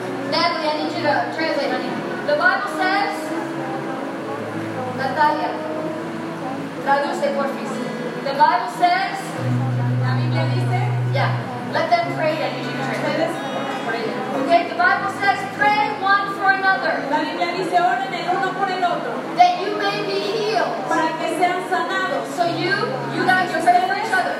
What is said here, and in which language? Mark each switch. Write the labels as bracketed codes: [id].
[en] Natalie, I need you to translate, honey. The Bible says, [es] Natalia, traduce por fin. [en] The Bible says, [es] la Biblia dice, [en] yeah, let them pray. I need you to translate this. Okay, the Bible says, pray one for another. [es] La Biblia dice, oren el uno por el otro. [en] That you may be healed. [es] Para que sean sanados. [en] So you guys, you pray for each other.